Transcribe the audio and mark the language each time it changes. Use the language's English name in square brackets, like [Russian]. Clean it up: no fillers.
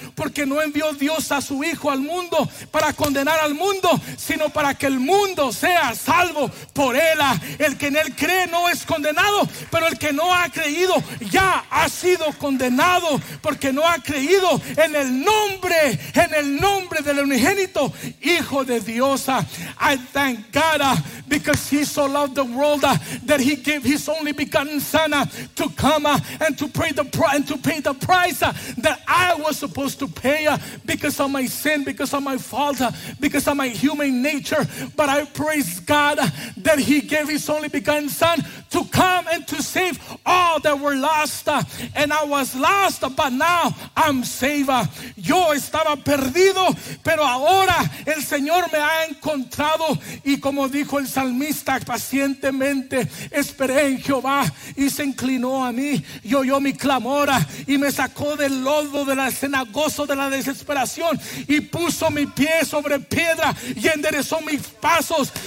[Spanish] Porque no envió Dios a su Hijo al mundo para condenar al mundo, sino para que el mundo sea salvo por Él. El que en Él cree no es condenado, pero el que no ha creído ya ha sido condenado, porque no ha creído en el nombre del unigénito Hijo de Dios. [English] I thank God because He so loved the world that He gave His only begotten Son to come and to pay the price that I was supposed to pay because of my sin, because of my fault, because of my human nature. But I praise God that He gave His only begotten Son to come and to save all that were lost. And I was lost, but now I'm saved. [Spanish] Yo estaba perdido, pero ahora el Señor me ha encontrado. Y como dijo el salmista, pacientemente esperé en Jehová y se inclinó a mí y oyó mi clamor y me sacó del lodo, de la cenagoso, de la desesperación, y puso mi pie sobre piedra y enderezó mis pasos.